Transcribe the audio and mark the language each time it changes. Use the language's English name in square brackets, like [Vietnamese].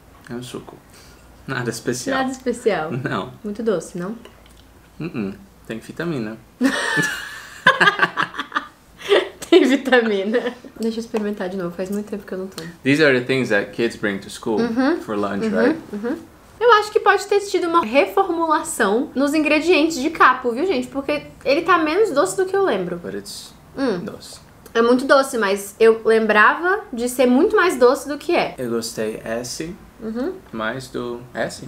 [Portuguese] É um suco. Nada especial. Nada especial. Não. Muito doce, não? Tem vitamina. Tem vitamina. Deixa eu experimentar de novo. Faz muito tempo que eu não tomo. [English] These are the things that kids bring to school for lunch, right? [Portuguese] Eu acho que pode ter tido uma reformulação nos ingredientes de capo, viu, gente? Porque ele tá menos doce do que eu lembro. [English] But it's doce. [Portuguese] É muito doce, mas eu lembrava de ser muito mais doce do que é. Eu gostei esse. Mais do esse?